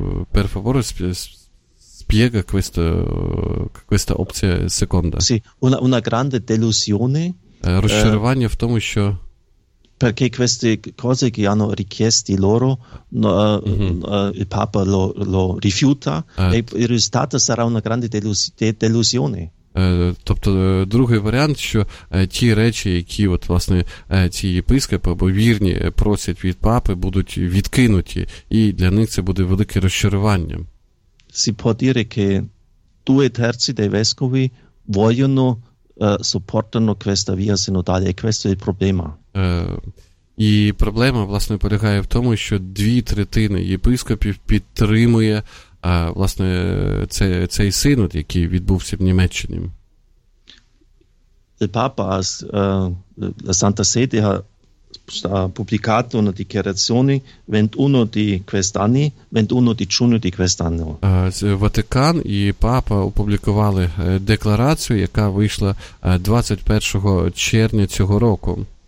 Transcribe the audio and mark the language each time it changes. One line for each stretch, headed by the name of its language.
Italian: Per favore, spiega questa opzione seconda. Sì, una grande delusione.
Ukrainian: Розчарування в тому, що...
Italian: Perché queste cose che hanno richiesto loro, il Papa lo rifiuta, e il risultato sarà una grande delusione.
Ukrainian: Тобто другий варіант, що ті речі, які от, власне, ці єпископи або вірні просять від папи, будуть відкинуті, і для них це буде велике розчарування.
Italian: Si può dire che due terzi dei vescovi vogliono supportano questa via sinodale, e questo è il problema.
Ukrainian: І проблема, власне, полягає в тому, що дві третини єпископів підтримує власне, цей синод, який відбувся в Німеччині.
Italian: Il Papa, la Santa Sede ha pubblicato una dichiarazione 21 di quest'anno, 21 di giugno di quest'anno.
Ukrainian: Ватикан і Папа опублікували декларацію, яка вийшла 21 червня цього року.